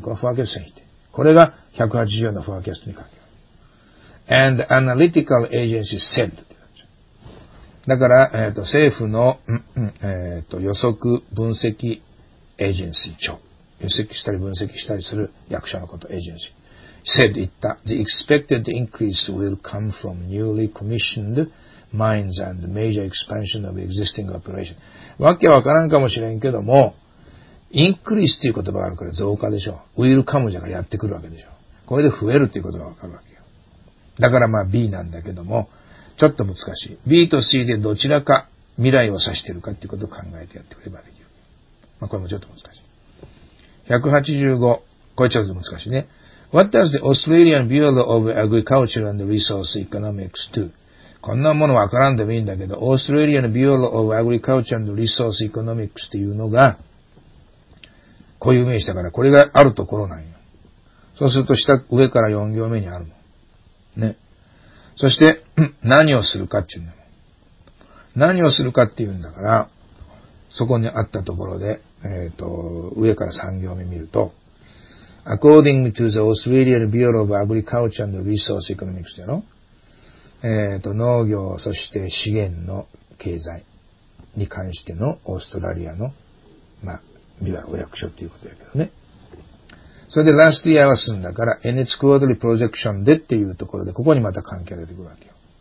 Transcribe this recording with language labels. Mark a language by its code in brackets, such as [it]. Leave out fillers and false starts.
[ja] これフォアキャスティングして。これが184のフォアキャストに書く。 [en] And analytical agency said. [ja] だから、政府の、予測分析エージェンシー長。予測したり分析したりする役者のこと、エージェンシー。 said 言った。 [en] The expected increase will come from newly commissioned mines and major expansion of existing operation. [ja] わけわからんかもしれんけども、increase という言葉があるから増加でしょ。 will come じゃからやってくるわけでしょ。これで増えるという言葉がわかるわけ。だからまあ B なんだけども、ちょっと難しい。 B と C でどちらか未来を指してるかっていうことを考えてやってくればできる。まあこれもちょっと難しい。 185、これちょっと難しいね。 [en] What does the Australian Bureau of Agriculture and Resource Economics do? [ja] こんなものわからんでもいいんだけど、Australian Bureau of Agriculture and Resource Economics っていうのが、こういう名詞だから、これがあるところなんよ。そうすると下、上から4行目にあるもん。ね。そして、何をするかっていうんだもん。何をするかっていうんだから、そこにあったところで、上から3行目見ると、 [en] According to the Australian Bureau of Agriculture and Resource Economics [ja] やろ。農業、そして資源の経済に関してのオーストラリアの、まあ、ビワ役所ということだけどね。それで、ラストイヤーは済んだから、NH クォーダリープロジェクションでっていうところで、ここにまた関係が出てくるわけよ。